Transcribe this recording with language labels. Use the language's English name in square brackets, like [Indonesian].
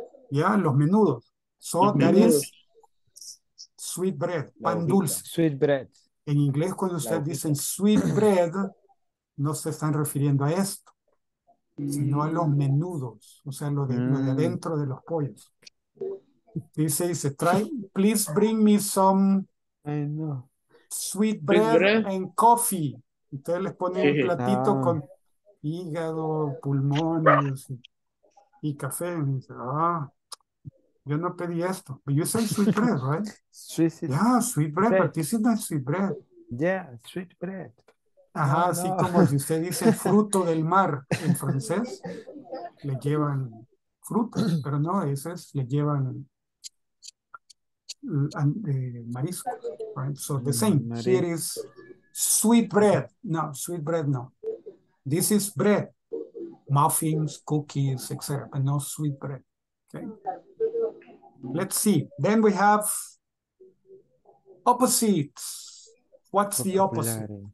[Spanish] Ya, los menudos. [English] So, that is sweet bread, [Spanish] pan dulce. [English] Sweet bread. [Spanish] En inglés, cuando ustedes dicen sweet bread, no se están refiriendo a esto, sino a los menudos, o sea, lo de adentro de los pollos. [English] Dice, try, please bring me some sweet bread and coffee. [Spanish] Entonces les ponen un platito con hígado, pulmones, y café. Y dice, yo no pedí esto. [English] But you said sweet bread, right? sweet bread, but this is not sweet bread. Yeah, sweet bread. [Spanish] Ajá, no, así no. Como si usted dice fruto del mar en francés, le llevan fruta, pero no, ese es, le llevan marisco, right? [English] So the same, here is sweet bread. No, sweet bread, no. This is bread, muffins, cookies, etc., but no sweet bread, okay? Let's see. Then we have opposites. What's the opposite?